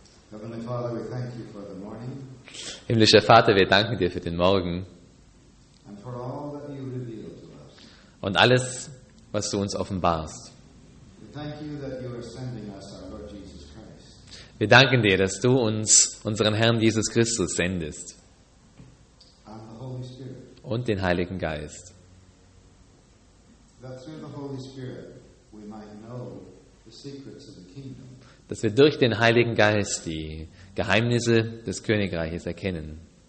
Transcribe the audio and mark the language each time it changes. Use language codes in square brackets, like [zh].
[en] Heavenly Father, we thank you for the morning. [de] Himmlischer Vater, wir danken dir für den Morgen. [en] And for all that you reveal to us. [de] Und alles, was du uns offenbarst. [en] We thank you that you are sending us our Lord Jesus Christ. [de] Wir danken dir, dass du uns unseren Herrn Jesus Christus sendest. [en] And the Holy Spirit. [de] Und den Heiligen Geist. [en] That through the Holy Spirit we might know the secrets of the kingdom. [de] Dass wir durch den Heiligen Geist die Geheimnisse des Königreiches erkennen.